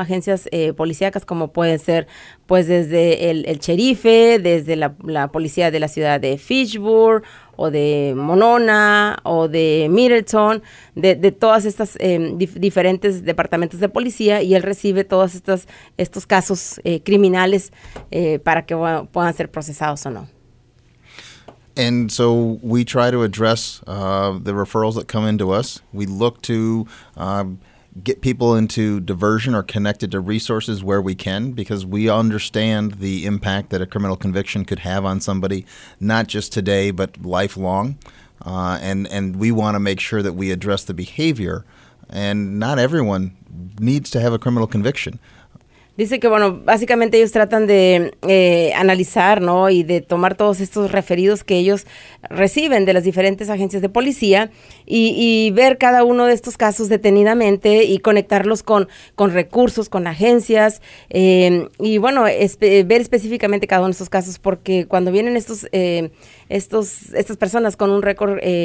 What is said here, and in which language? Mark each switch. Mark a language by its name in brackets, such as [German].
[Spanish] Agencias policíacas, como pueden ser, pues, desde el sheriff, desde la policía de la ciudad de Fitchburg, o de Monona, o de Middleton, de todas estas diferentes departamentos de policía, y él recibe todos estos casos criminales para que puedan ser procesados o no. [English] And so we try to address the referrals that come into us. We look to get people into diversion or connected to resources where we can, because we understand the impact that a criminal conviction could have on somebody, not just today, but lifelong. And we want to make sure that we address the behavior. And not everyone needs to have a criminal conviction. [Spanish] Dice que, bueno, básicamente ellos tratan de analizar, ¿no?, y de tomar todos estos referidos que ellos reciben de las diferentes agencias de policía y ver cada uno de estos casos detenidamente y conectarlos con recursos, con agencias, y, bueno, ver específicamente cada uno de estos casos, porque cuando vienen estas personas con un récord